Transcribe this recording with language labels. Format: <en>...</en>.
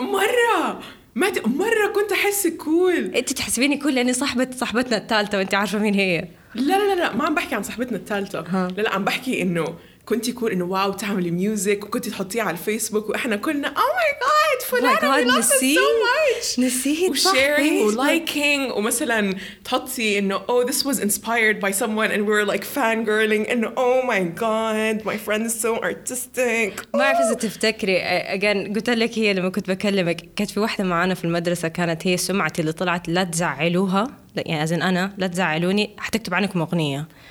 <ar>مرة مرة كنت أحسك كول أنت تحسبيني كول لأني صاحبتنا الثالثة وأنت عارفة مين هي لا لا لا ما عم بحكي عن صاحبتنا الثالثة لا لا عم بحكي إنه كنتي كول إنه واو تعملي ميوزك وكنتي تحطيها على الفيسبوك وإحنا كلنا</ar> <en>oh my god</en> <ar>فلانة نسيت وsharing وliking ومثلاً تحطي إنه</ar> <en>oh this was inspired by someone and we were like fangirling and oh my god my friend is so artistic.</en> <ar>ما أعرف إذا تفتكري again قلت لك هي لما كنت بكلمك كانت في واحدة معانا في المدرسة كانت هي سمعتي اللي طلعت لا تزعلوها يعني أزن أنا لا تزعلوني حتكتب عنكم أغنية.</ar>